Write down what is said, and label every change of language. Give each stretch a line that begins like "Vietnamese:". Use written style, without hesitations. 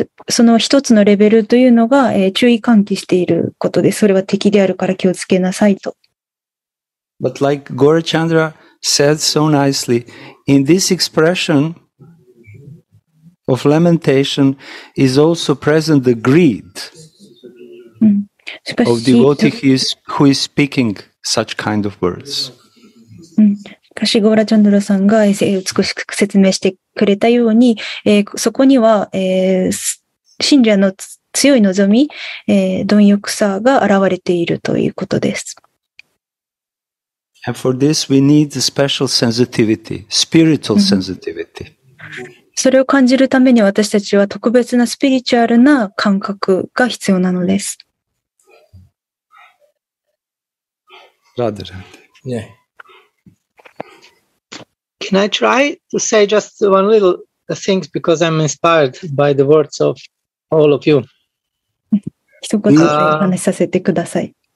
Japanese: その一つのレベルというのが、注意喚起していることです。それは敵であるから気をつけなさいと。
English: But like Gaurachandra said so nicely, in this expression, of lamentation is also present the greed、of devotees who is speaking such kind of words.、
Japanese: しかし、ゴーラチャンドラさんが美しく説明してくれたように、そこには、信者の強い望み、貪欲さが現れているということです。
English: And for this, we need a special sensitivity, spiritual sensitivity.
Japanese: それを感じるために私たちは特別なスピリチュアルな感覚が必要なのです。
English: Rather, yeah. Can I try to say just one little thing because I'm inspired by the words of all of you?
Japanese: 一言でお話しさせてください。